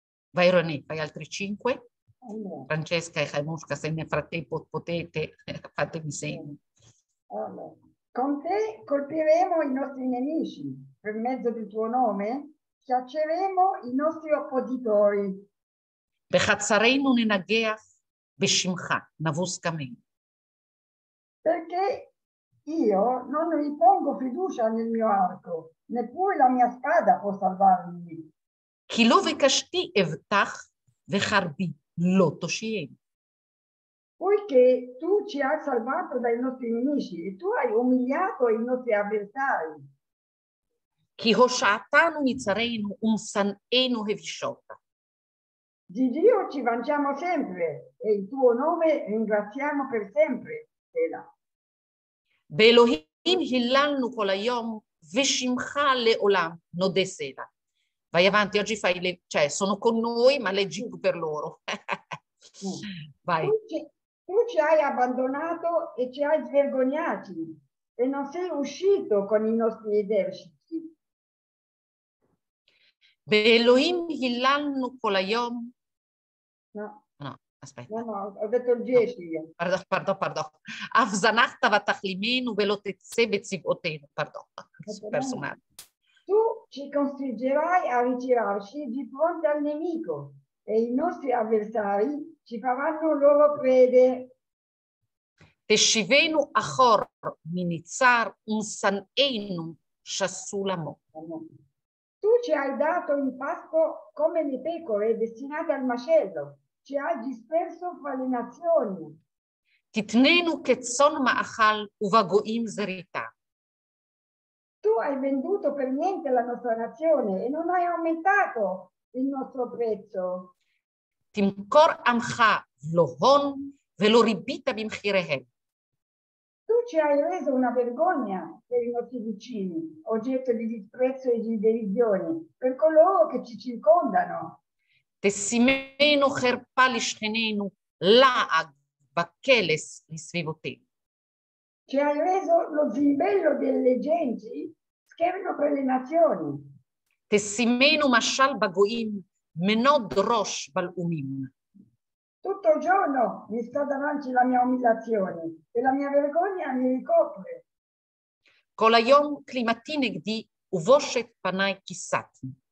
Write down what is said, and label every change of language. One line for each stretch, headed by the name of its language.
Italian: Vai Roni, fai altri cinque. Amen. Francesca e Chaimushka, se nel frattempo potete, fatemi segno. Con te colpiremo i nostri nemici per mezzo del tuo nome, schiacceremo i nostri oppositori.
Hebrew: בחצרנו ננגח בשמך, נבוס קמים.
Italian: Perché io non ripongo fiducia nel mio arco, neppure la mia spada può salvarmi.
Hebrew: כי לא ביקשתי אבטח וחרבי, לא תושיעני.
Italian: Poiché tu ci hai salvato dai nostri nemici e tu hai umiliato i nostri avversari.
Hebrew: כי הושעתנו מצרינו ומשנאינו הבישותה.
Italian: Di Dio ci vangiamo sempre e il tuo nome ringraziamo per sempre.
Hebrew: Sela. באלוהים היללנו כל היום, ושמך לעולם נודה סלה.
Italian: Vai avanti, oggi fai le... cioè, sono con noi, ma leggi per loro. Vai. Tu ci hai abbandonato e ci hai svergognati e non sei uscito con i nostri eserciti.
Hebrew: באלוהים היללנו כל היום...
Italian: No, No, aspetta. ho detto il 10 io. Pardon.
Hebrew: אף זנחת ותכלימנו ולא תצא בצבאותינו,
Italian: pardon, personale. Ci costringerai a ritirarci di fronte al nemico e i nostri avversari ci faranno loro prede.
Hebrew: תשיבנו אחור מנצר ומשנאינו שסו למו.
Italian: Tu ci hai dato in pasto come le pecore destinate al macello. Ci ha disperso fra le nazioni.
Hebrew: תתננו כצאן מאכל ובגויים זריתה.
Italian: Tu hai venduto per niente la nostra nazione e non hai aumentato il nostro prezzo.
Hebrew: תמכור עמך לא הון ולא ריבית במחיריהם.
Italian: Tu ci hai reso una vergogna per i nostri vicini, oggetto di disprezzo e di derisioni, per coloro che ci circondano.
Hebrew: תשימנו חרפה לשכנינו, לעג וקלס לסביבותינו.
Italian: Ci hai reso lo zimbello delle genti, scherno per le nazioni.
Hebrew: תשימנו משל בגויים, מנוד ראש בלאומים.
Italian: Tutto il giorno mi sta davanti la mia umiliazione e la mia vergogna mi ricopre.
Hebrew: כל היום כלימתי נגדי ובושת פניי כיסתי.